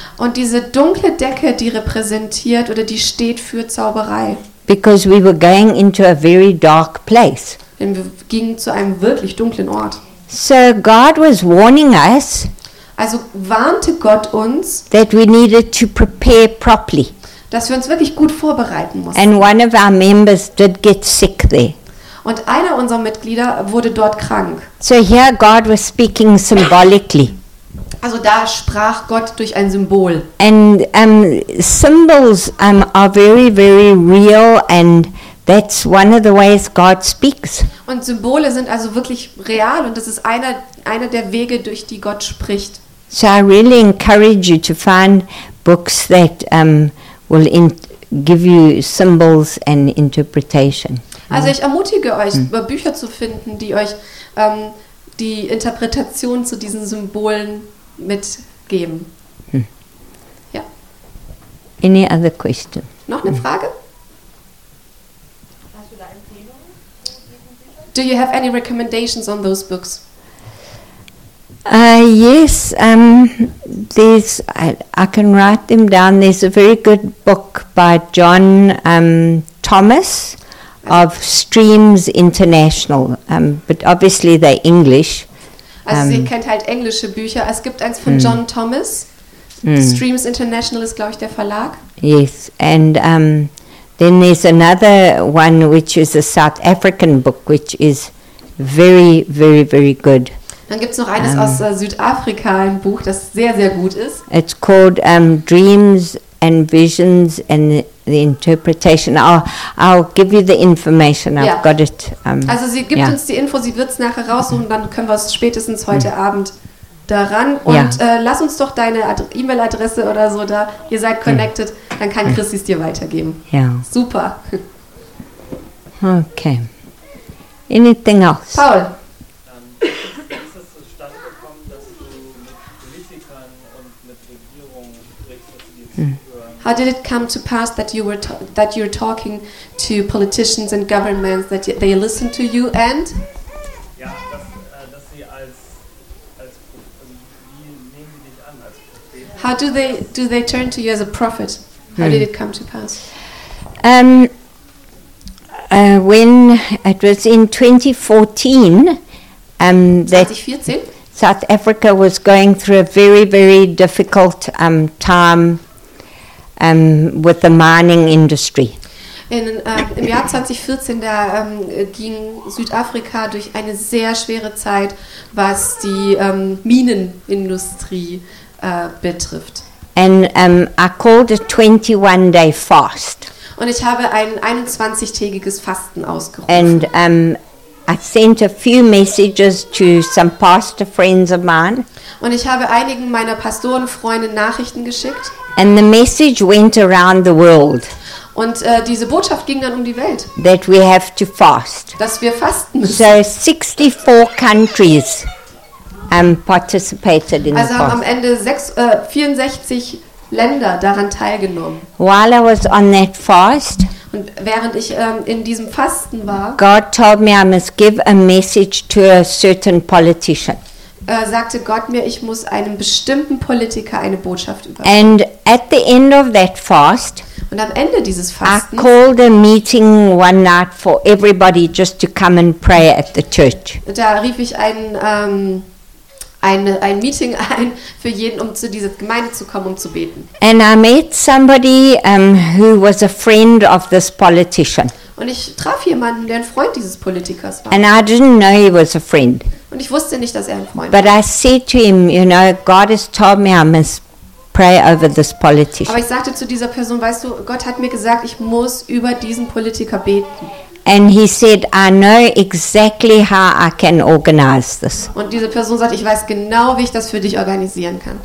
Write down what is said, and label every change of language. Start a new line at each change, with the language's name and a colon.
German: Und diese dunkle Decke, die repräsentiert oder die steht für Zauberei.
English: Because we were going into a very dark place.
German: Denn wir gingen zu einem wirklich dunklen Ort.
English: So God was warning us.
German: Also warnte Gott uns,
English: that we needed to prepare properly.
German: Dass wir uns wirklich gut vorbereiten mussten.
English: And one of our members did get sick there.
German: Und einer unserer Mitglieder wurde dort krank.
English: So here God was speaking symbolically.
German: Also da sprach Gott durch ein Symbol.
English: And symbols are very very real and that's one of the ways God speaks.
German: Und Symbole sind also wirklich real und das ist einer der Wege, durch die Gott spricht.
English: So I really encourage you to find books that will give you symbols and interpretation.
German: Also ich ermutige euch, Bücher zu finden, die euch die Interpretation zu diesen Symbolen mitgeben. Ja.
English: Any other question?
German: Noch eine Frage?
English: Do you have any recommendations on those books? Yes, I can write them down. There's a very good book by John Thomas of Streams International, but obviously they're English.
German: Also sie kennt halt englische Bücher. Es gibt eins von John Thomas. Streams International ist, glaube ich, der Verlag.
English: Yes, and... then there's another one which is a South African book which is very very very good.
German: Dann gibt's noch eines aus Südafrika, ein Buch, das sehr sehr gut ist.
English: It's called Dreams and Visions and the Interpretation. I'll give you the information. I've got it.
German: Also sie gibt uns die Info, sie wird's nachher raussuchen, dann können wir es spätestens heute Abend daran lass uns doch deine E-Mail-Adresse oder so da. Ihr seid connected. Dann kann Christi es dir weitergeben. Ja. Super.
English: Okay. Anything else? Paul.
German: Ist es zustande gekommen, dass du mit Politikern und mit Regierungen sprichst, dass sie dir zuhören
English: How did it come to pass that you were that you're talking to politicians and governments, that they listen to you and?
German: Ja, dass sie als wie nehmen sie dich an als Prophet?
English: How do they turn to you as a prophet? How did it come to pass? When it was in 2014, that 2014? South Africa was going through a very, very difficult time with the mining industry.
German: Im Jahr 2014, da ging Südafrika durch eine sehr schwere Zeit, was die Minenindustrie betrifft.
English: And I called a 21-day fast.
German: Und ich habe ein 21-tägiges Fasten ausgerufen.
English: And I sent a few messages to some pastor friends of mine.
German: Und ich habe einigen meiner Pastorenfreunde Nachrichten geschickt.
English: And the message went around the world.
German: Und diese Botschaft ging dann um die Welt.
English: That we have to fast.
German: Dass wir fasten müssen.
English: So 64 countries participated in
German: also
English: the fast.
German: Also am Ende 64 Länder daran teilgenommen.
English: While I was on that fast,
German: und während ich in diesem Fasten war,
English: God told me I must give a message to a certain politician.
German: Sagte Gott mir, ich muss einem bestimmten Politiker eine Botschaft übergeben.
English: And at the end of that fast,
German: und am Ende dieses Fastens,
English: I called a meeting one night for everybody just to come and pray at the church.
German: Da rief ich ein Meeting ein für jeden, um zu dieser Gemeinde zu kommen, um zu beten.
English: And I met somebody who was a friend of this politician.
German: Und ich traf jemanden, der ein Freund dieses Politikers war.
English: And I didn't know he was a friend.
German: Und ich wusste nicht, dass er ein Freund
English: but
German: war.
English: But I said to him, you know, God has told me I must pray over this politician.
German: Aber ich sagte zu dieser Person, weißt du, Gott hat mir gesagt, ich muss über diesen Politiker beten.
English: And he said, I know exactly how I can organize this.
German: Und diese Person sagt, ich weiß genau, wie ich das für dich organisieren kann.